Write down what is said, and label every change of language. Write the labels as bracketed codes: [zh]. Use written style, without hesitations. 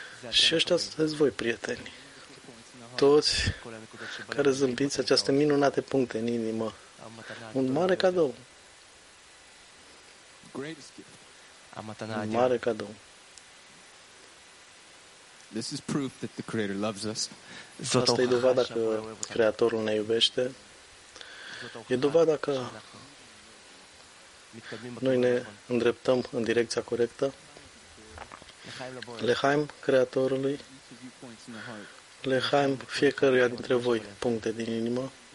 [ro] Și ăștia sunteți voi, prieteni, toți care zâmbiți, aceste minunate puncte în inimă, un mare cadou, un mare cadou. [en] This is proof that the Creator loves us. [ro] Asta e dovada că Creatorul ne iubește. E dovada că noi ne îndreptăm în direcția corectă. Lehaim Creatorului. Lehaim fiecăruia dintre voi, puncte din inimă.